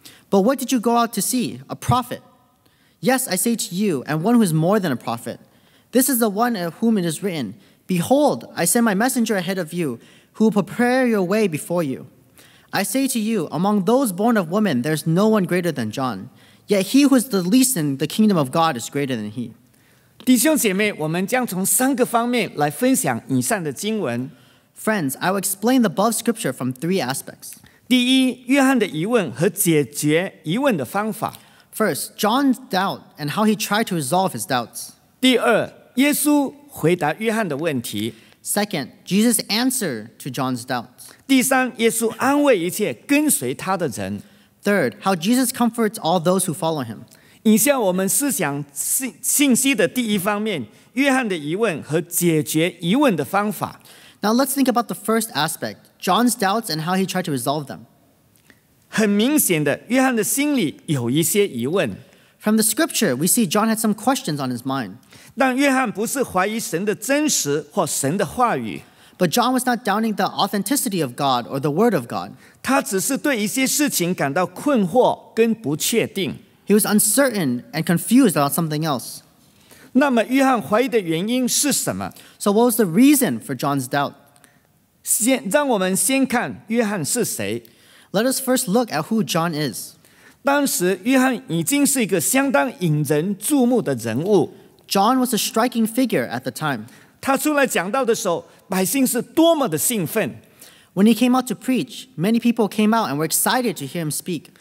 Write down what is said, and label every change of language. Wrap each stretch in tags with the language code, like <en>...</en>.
<en>But what did you go out to see? A prophet. Yes, I say to you, and one who is more than a prophet. This is the one of whom it is written, Behold, I send my messenger ahead of you, who will prepare your way before you. I say to you, among those born of women, there is no one greater than John. Yet he who is the least in the kingdom of God is greater than he.</en> <zh>弟兄姐妹，我们将从三个方面来分享以上的经文。</zh> <en>Friends, I will explain the above scripture from three aspects.</en> <zh>第一，约翰的疑问和解决疑问的方法。</zh> <en>First, John's doubt and how he tried to resolve his doubts.</en> <zh>第二, 耶稣回答约翰的问题。</zh> <en>Second, Jesus' answer to John's doubts.</en> <zh>第三, 耶稣安慰一切跟随他的人。</zh> <en>Third, how Jesus comforts all those who follow him.</en> <zh>以下我们思想信息的第一方面, 约翰的疑问和解决疑问的方法。</zh> <en>Now let's think about the first aspect, John's doubts and how he tried to resolve them.</en> <zh>很明显的,约翰的心里有一些疑问。</zh> <en>From the scripture, we see John had some questions on his mind.</en> <zh>但约翰不是怀疑神的真实或神的话语。</zh> <en>But John was not doubting the authenticity of God or the word of God.</en> <zh>他只是对一些事情感到困惑跟不确定。</zh> <en>He was uncertain and confused about something else.</en> <zh>那么约翰怀疑的原因是什么?</zh> <en>So what was the reason for John's doubt?</en> <zh>让我们先看约翰是谁。</zh> <en>Let us first look at who John is.</en> <zh>当时约翰已经是一个相当引人注目的人物。</zh> <en>John was a striking figure at the time.</en> <zh>他出来讲道的时候, 百姓是多么的兴奋。</zh> <en>When he came out to preach, many people came out and were excited to hear him speak.</en>